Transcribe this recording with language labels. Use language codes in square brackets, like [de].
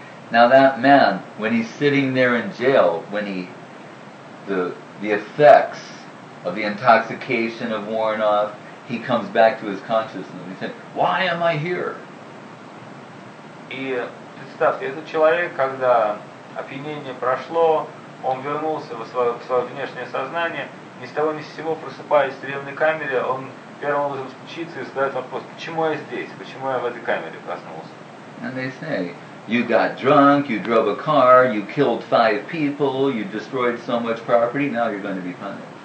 [en] Now that man, when he's sitting there in jail, when the effects of the intoxication have worn off, he comes back to his consciousness. He said, "Why am I here?" [ru] И представьте, этот человек, когда опьянение прошло, он вернулся в свое внешнее сознание, ни с того ни с сего просыпаясь в тюремной камере, он первым образом стучится и задает вопрос: "Почему я здесь? Почему я в этой камере проснулся?" [en] And they say, you got drunk, you drove a car, you killed 5 people, you destroyed so much property, now you're going to be punished.